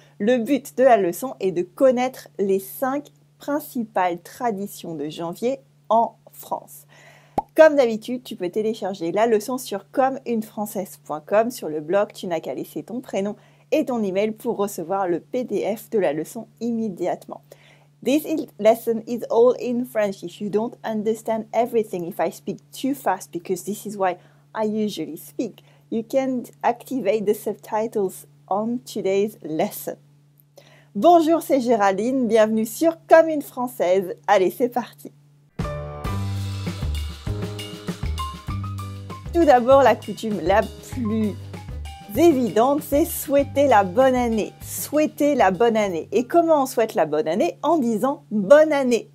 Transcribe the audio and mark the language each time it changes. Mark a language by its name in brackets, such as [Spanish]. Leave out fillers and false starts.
[French] Le but de la leçon est de connaître les 5 principales traditions de janvier en France. Comme d'habitude, tu peux télécharger la leçon sur commeunefrançaise.com. Sur le blog, tu n'as qu'à laisser ton prénom et ton email pour recevoir le PDF de la leçon immédiatement. [English] This lesson is all in French. If you don't understand everything, if I speak too fast, because this is why I usually speak, you can activate the subtitles on today's lesson. [French] Bonjour, c'est Géraldine, bienvenue sur Comme une Française. Allez, c'est parti. Tout d'abord, la coutume la plus évidente, c'est souhaiter la bonne année. Souhaiter la bonne année. Et comment on souhaite la bonne année? En disant bonne année.